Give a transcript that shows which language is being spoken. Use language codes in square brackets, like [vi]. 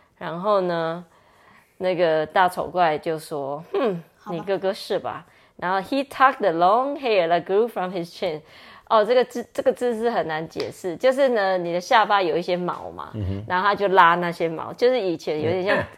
[zh] 然后呢，那个大丑怪就说，哼，你哥哥是吧？ [en] 然后 he tucked the long hair that grew from his chin. [zh] 哦，这个字是很难解释，就是呢，你的下巴有一些毛嘛，嗯、然后他就拉那些毛，就是以前有点像。